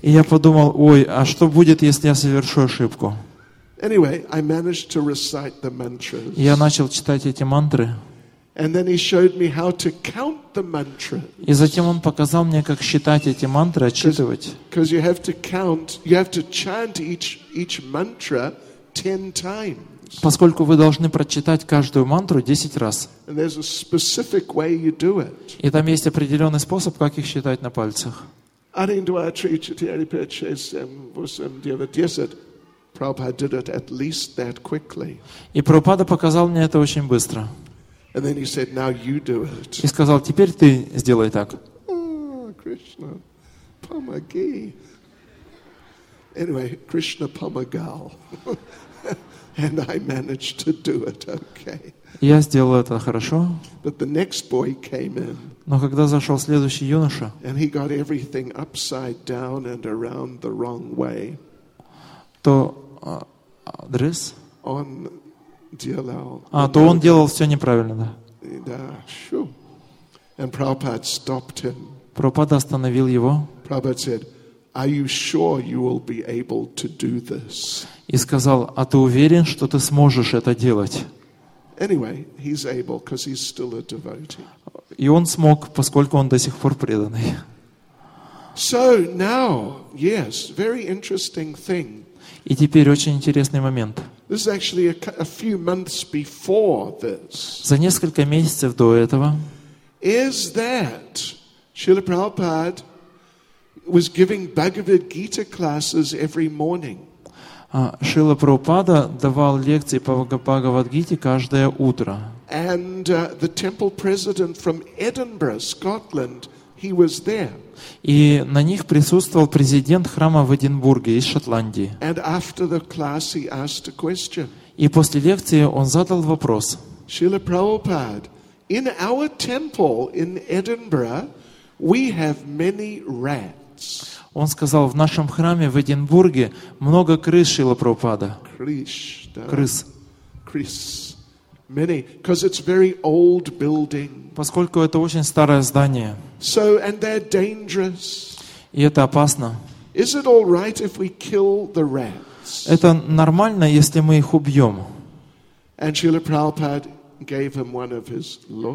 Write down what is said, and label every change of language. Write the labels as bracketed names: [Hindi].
[Russian] И я подумал, ой, а что будет, если я совершу ошибку? [English] Anyway, I managed to recite the mantras. [Russian] Я начал читать эти мантры. [English] And then he showed me how to count the mantra. [Russian] И затем он показал мне, как считать эти мантры, отсчитывать. [English] Because you have to count, you have to chant each mantra 10 times. [Russian] Поскольку вы должны прочитать каждую мантру 10 раз. [English] And there's a specific way you do it. [Russian] И там есть определенный способ, как их считать на пальцах. [English] Prabhupada did it at least that quickly. [Russian] И Прабхупада показал мне это очень быстро. [English] And then he said, "Now you do it." [Russian] И сказал: "Теперь ты сделай так." Krishna, помоги. [English] Anyway, [Russian] Krishna помогал. [English] And I managed to do it. Okay. [Russian] Я сделал это хорошо. [English] But the next boy came in. [Russian] Но когда зашел следующий юноша. [English] And he got everything upside down and around the wrong way. [Russian] То адрес? Он делал. А то он делал все неправильно, да? Да, шу. [English] And Prabhupada stopped him. [Russian] Прабхупада остановил его. [English] Prabhupada said, "Are you sure you will be able to do this?" [Russian] И сказал: "А ты уверен, что ты сможешь это делать?" [English] Anyway, he's able because he's still a devotee. [Russian] И он смог, поскольку он до сих пор преданный. [English] So now, yes, very interesting thing. [Russian] И теперь очень интересный момент. [English] This is actually a few months before this. [Russian] За несколько месяцев до этого. [English] Is that Srila Prabhupada was giving Bhagavad Gita classes every morning? [Russian] Шрила Прабхупада давал лекции по Бхагавад Гите каждое утро. [English] And the temple president from Edinburgh, Scotland, he was there. [Russian] И на них присутствовал президент храма в Эдинбурге из Шотландии. [English] And after the class he asked a question. [Russian] И после лекции он задал вопрос. [English] Srila Prabhupada, in our temple in Edinburgh, we have many rats. [Russian] Он сказал: в нашем храме в Эдинбурге много крыс, Шрила Прабхупада. Крыс. Крыс. [English] Many, because it's very old building. [Russian] Поскольку это очень старое здание. [English] So, and they're dangerous. [Russian] И это опасно. [English] Is it all right if we kill the rats? [Russian] Это нормально, если мы их убьем? [English] And Srila Prabhupada gave him one of his looks.